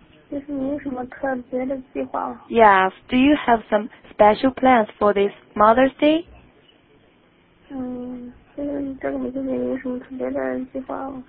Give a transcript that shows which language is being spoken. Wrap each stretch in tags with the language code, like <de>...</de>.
<zh>就是你有什么特别的计划</zh> <en>Yes, do you have some special plans for this Mother's Day?</en> <zh>这个母亲节有什么特别的计划</zh>